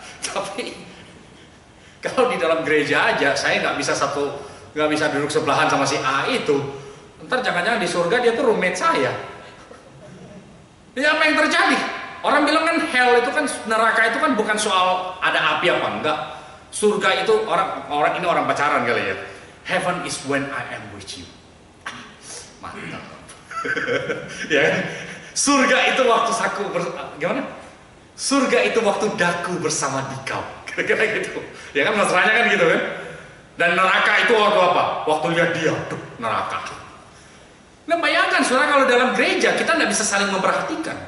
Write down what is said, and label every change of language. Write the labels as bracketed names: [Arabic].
[Indonesian] Tapi kalau di dalam gereja aja, saya nggak bisa duduk sebelahan sama si A itu. Ntar jangan-jangan di surga dia tuh roommate saya. Ya apa yang terjadi? Orang bilang kan hell itu kan, neraka itu kan bukan soal ada api apa enggak. Surga itu orang ini orang pacaran kali ya. [English] Heaven is when I am with you. [Indonesian] Mantap. Ya kan? Surga itu waktu saku gimana? Surga itu waktu daku bersama dikau. Kira-kira gitu. Ya kan masalahnya kan gitu kan. Dan neraka itu waktu apa? Waktunya dia tuh neraka. Nah bayangkan surga kalau dalam gereja kita enggak bisa saling memperhatikan.